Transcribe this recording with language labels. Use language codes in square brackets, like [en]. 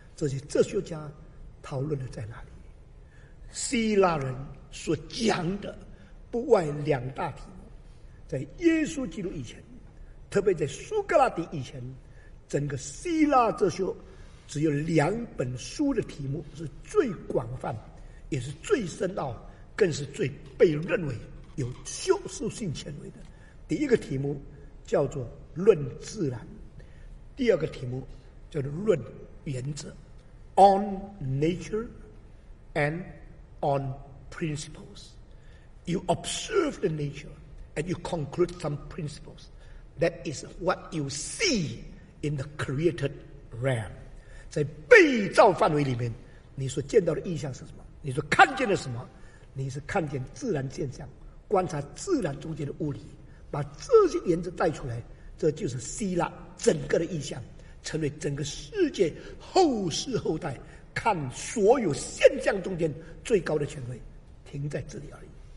[zh] 这些哲学家讨论的在哪里？希腊人所讲的不外两大题目，在耶稣基督以前，特别在苏格拉底以前，整个希腊哲学只有两本书的题目是最广泛，也是最深奥，更是最被认为有修饰性权威的。第一个题目叫做论自然，第二个题目叫做论原则 [en] On nature and on principles. You observe the nature and you conclude some principles. That is what you see in the created realm. [zh] 在被造范围里面你所见到的意象是什么，你所看见的什么，你是看见自然现象，观察自然中间的物理，把这些原则带出来，这就是希腊整个的意象，成为整个世界后世后代看所有现象中间最高的权威，停在这里而已。